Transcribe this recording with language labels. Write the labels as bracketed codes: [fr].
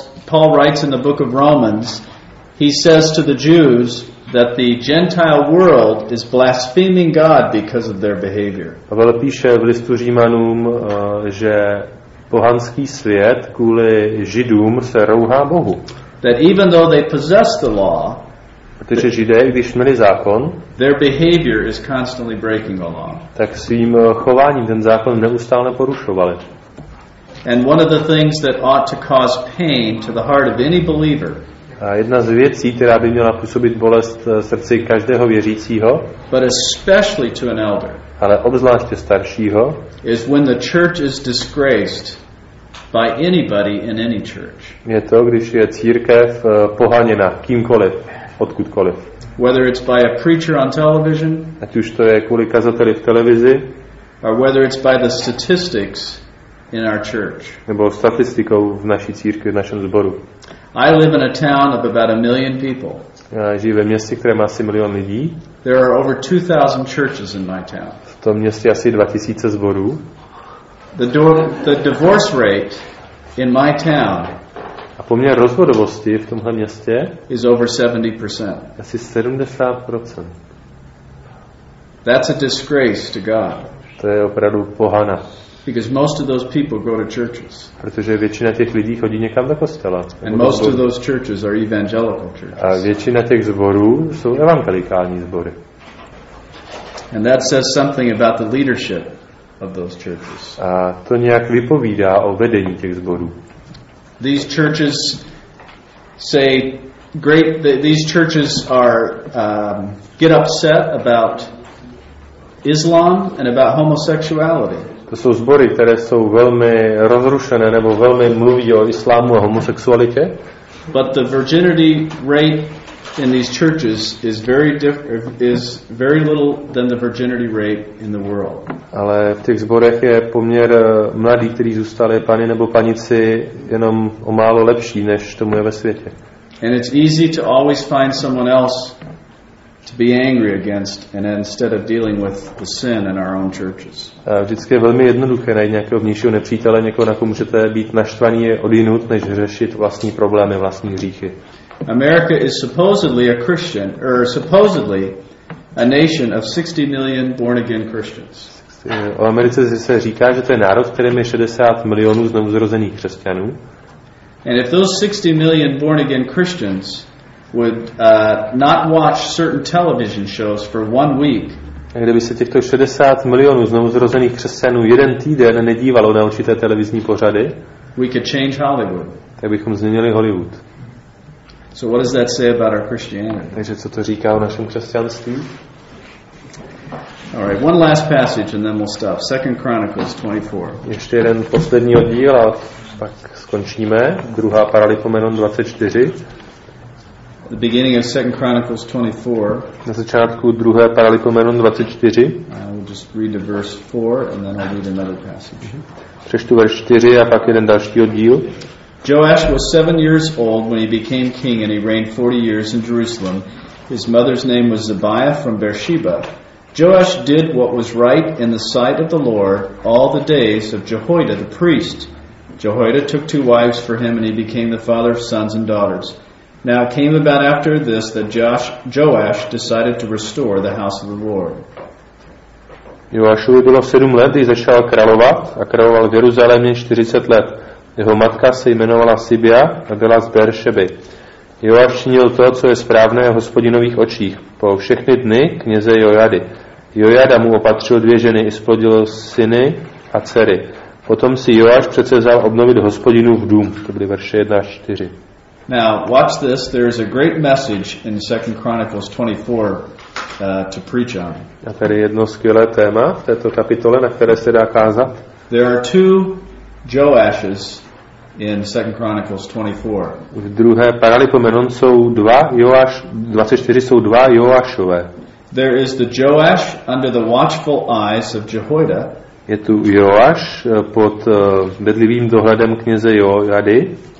[en] Paul writes in the book of Romans, he says to the Jews that the Gentile world is blaspheming God because of their behavior. [cs] Pavel píše v listu Římanům, že pohanský svět kvůli Židům se rouhá Bohu. [en] That even though they possess the law, [cs] protože Židé, když měli zákon, [en] their behavior is constantly breaking the law. [cs] Tak svým chováním ten zákon neustále porušovali. [en] And one of the things that ought to cause pain to the heart of any believer. [cs] A jedna z věcí, která by měla působit bolest srdci každého věřícího, [en] but especially to an elder, [cs] ale obzvláště staršího, [en] is when the church is disgraced by anybody in any church. [cs] Je to, když je církev pohaněna kýmkoliv, odkudkoliv. [en] Whether it's by a preacher on television, [cs] ať už to je kvůli kazateli v televizi, [en] or whether it's by the statistics in our church. [cs] Nebo statistikou v naší církvi, v našem sboru. [en] I live in a town of about a million people. [cs] Já žiju ve městě, které má asi milion lidí. [en] There are over 2,000 churches in my town. [cs] V tom městě asi 2,000 zborů. [en] The divorce rate in my town. [cs] A poměr rozvodovosti v tomhle městě [en] is over 70%. [cs] Asi 70%. [en] That's a disgrace to God. [cs] To je opravdu pohana. [en] Because most of those people go to churches. [cs] Protože většina těch lidí chodí někam do kostela. [en] And most of those churches are evangelical churches. [cs] A většina těch zborů jsou evangelikální zbory. [en] And that says something about the leadership of those churches. [cs] A to nějak vypovídá o vedení těch zborů. [en] These churches say great. These churches are get upset about Islam and about homosexuality. [cs] To jsou sbory, které jsou velmi rozrušené nebo velmi mluví o islámu a homosexualitě. [en] But the virginity rate in these churches is very little than the virginity rate in the world. [cs] Ale v těch zborech je poměr mladých, kteří zůstali pany nebo panici, jenom o málo lepší než tomu je ve světě. [en] And it's easy to always find someone else to be angry against and instead of dealing with the sin in our own churches. [cs] A vždycky je velmi jednoduché najít nějakého vnějšího nepřítele, někoho, na koho můžete být naštvaní odjinud, než řešit vlastní problémy, vlastní hříchy. [en] America is supposedly a Christian or supposedly a nation of 60 million born again Christians. [cs] O Americe se říká, že to je národ, kterým je 60 milionů znovuzrozených křesťanů. [en] And if those 60 million born again Christians would not watch certain television shows for one week. [cs] Kdyby se těchto 60 milionů znovuzrozených křesťanů jeden týden nedívalo na určité televizní pořady, [en] we could change Hollywood. [cs] Tak bychom změnili Hollywood. [en] So what does that say about our Christianity? [cs] Takže co to říká o našem křesťanství? [en] All right, one last passage and then we'll stop. 2 Chronicles 24. [cs] Ještě jeden poslední oddíl a pak skončíme. Druhá Paralipomenon 24. [en] The beginning of 2 Chronicles 24. [cs] Na začátku druhé Paralipomenon 24. [en] I'll just read the verse 4 and then I'll read another passage. [cs] Přečtu verš 4 a pak jeden další oddíl. [en] Joash was 7 years old when he became king and he reigned 40 years in Jerusalem. His mother's name was Zebiah from Beersheba. Joash did what was right in the sight of the Lord all the days of Jehoiada the priest. Jehoiada took 2 wives for him and he became the father of sons and daughters. Now it came about after this that Joash decided to restore the house of the Lord. [cs] Joášovi bylo 7 let, když začal královat a královal v Jeruzalémě 40 let. Jeho matka se jmenovala Sibia a byla z Beršeby. Joáš činil to, co je správné v hospodinových očích. Po všechny dny kněze Jojady. Jojada mu opatřil 2 ženy i splodil syny a dcery. Potom si Joáš předsevzal obnovit hospodinův dům. To byly verše 1 až 4. [en] Now, watch this. There is a great message in 2 Chronicles 24 to preach on. [cs] A tady jedno skvělé téma v této kapitole, na které se dá kázat. [en] There are 2 Joashes in 2 Chronicles 24. [cs] V druhé Paralipomenon jsou 2 Joáš, 24 jsou 2 Joášové. [en] There is the Joash under the watchful eyes of Jehoiada. [cs] Je tu Joáš pod bedlivým dohledem kněze Jojady.